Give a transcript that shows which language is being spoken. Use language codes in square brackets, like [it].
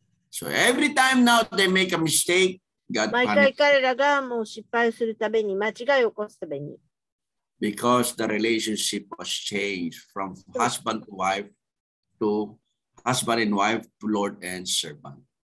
[en] So every time now they make a mistake, [ja] 毎回彼らがもう失敗するために間違いを起こすために。 [en] Because the relationship was changed from husband to wife to husband and wife to lord and servant.